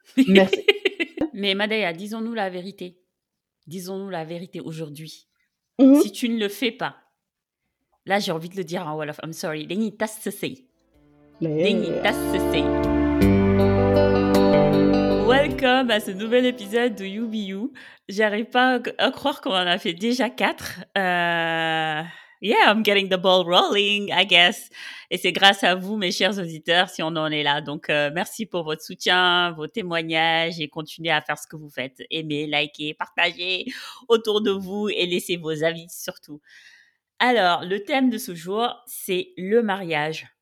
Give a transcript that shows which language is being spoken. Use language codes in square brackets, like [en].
[fr] Merci. Mais Madaya, disons-nous la vérité. Disons-nous la vérité aujourd'hui. Mm-hmm. Si tu ne le fais pas, là, j'ai envie de le dire en Wolof. [en] I'm sorry. Deni tas se sei. Deni tas se sei. [fr] Welcome à ce nouvel épisode de You Be You. J'arrive pas à croire qu'on en a fait déjà 4. [en] Yeah, I'm getting the ball rolling, I guess. [fr] Et c'est grâce à vous, mes chers auditeurs, si on en est là. Donc, merci pour votre soutien, vos témoignages et continuez à faire ce que vous faites. Aimez, likez, partagez autour de vous et laissez vos avis surtout. Alors, le thème de ce jour, c'est le mariage.